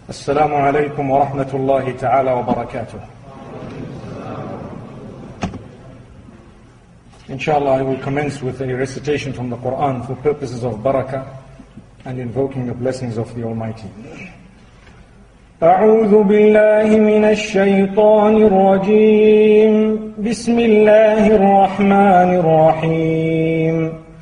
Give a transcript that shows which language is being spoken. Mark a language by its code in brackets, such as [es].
[ar] السلام عليكم ورحمة الله تعالى وبركاته. [en] Inshallah, I will commence with a recitation from the Quran for purposes of barakah and invoking the blessings of the Almighty. [ar] أعوذ بالله من الشيطان الرجيم. بسم الله الرحمن الرحيم.